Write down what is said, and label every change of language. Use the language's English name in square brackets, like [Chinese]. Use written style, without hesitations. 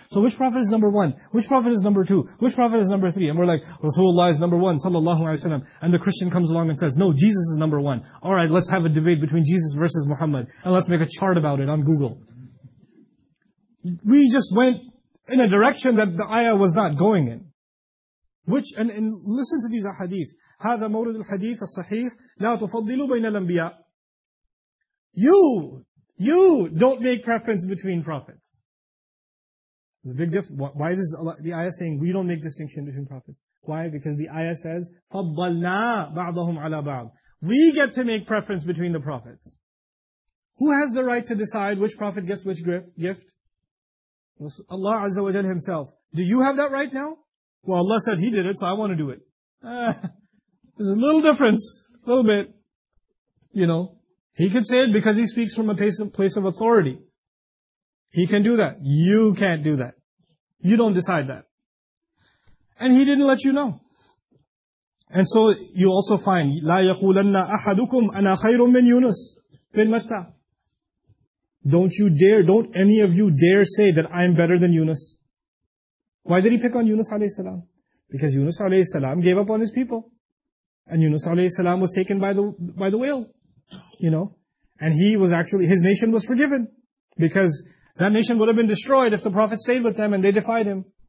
[English] So which prophet is number one? Which prophet is number two? Which prophet is number three? And we're like, Rasulullah is number one, sallallahu alayhi wa sallam. And the Christian comes along and says, no, Jesus is number one. Alright, let's have a debate between Jesus versus Muhammad. And let's make a chart about it on Google. We just went in a direction that the ayah was not going in. Which, and listen to these ahadith. [Arabic] هذا مورد الحديث الصحيح لا تفضلوا بين الأنبياء. [English] You don't make preference between prophets. There's a big difference. Why is this, the ayah saying we don't make distinction between prophets? Why? Because the ayah says [Arabic] فَضَّلْنَا بَعْضَهُمْ عَلَىٰ بَعْضٍ. [English] We get to make preference between the prophets. Who has the right to decide which prophet gets which gift? Allah Azza wa Jalla himself. Do you have that right now? Well, Allah said he did it, so I want to do it. There's a little difference, a little bit. You know, he could say it because he speaks from a place of authority. He can do that. You can't do that. You don't decide that. And he didn't let you know. And so you also find, [Arabic] لا يقولن أحدكم أنا خير من يونس بن متى. [English] Don't any of you dare say that I'm better than Yunus. Why did he pick on Yunus alayhi salam? Because Yunus alayhi salam gave up on his people. And Yunus alayhi salam was taken by the whale. You know? And he was actually, his nation was forgiven. Because that nation would have been destroyed if the Prophet stayed with them and they defied him.